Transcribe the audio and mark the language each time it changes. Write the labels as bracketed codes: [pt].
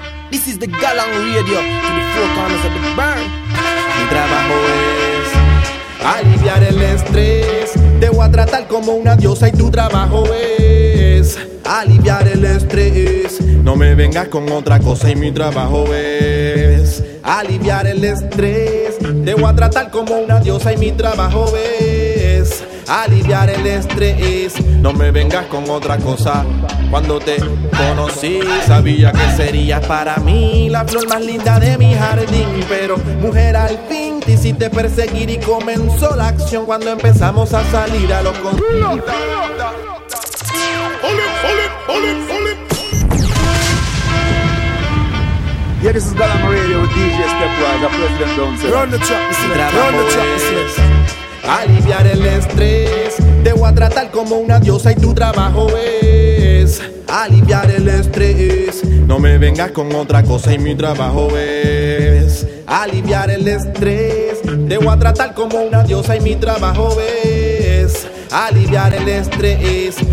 [en] This is the Galang Radio, to the four corners of the barn. [es] Mi trabajo es aliviar el estrés. Te voy a tratar como una diosa y tu trabajo es aliviar el estrés. No me vengas con otra cosa y mi trabajo es aliviar el estrés. Te voy a tratar como una diosa y mi trabajo es aliviar el estrés. No me vengas con otra cosa. Cuando te conocí, sabía que serías para mí la flor más linda de mi jardín. Pero mujer, al fin te hiciste perseguir y comenzó la acción cuando empezamos a salir a los conciertos. [en] Yeah, this is Galam Radio with DJ Stepwise, President Donce. Run the track, run the track. [es] Aliviar el estrés. Te voy a tratar como una diosa y tu trabajo es aliviar el estrés. No me vengas con otra cosa y mi trabajo es aliviar el estrés. Te voy a tratar como una diosa y mi trabajo es aliviar el estrés.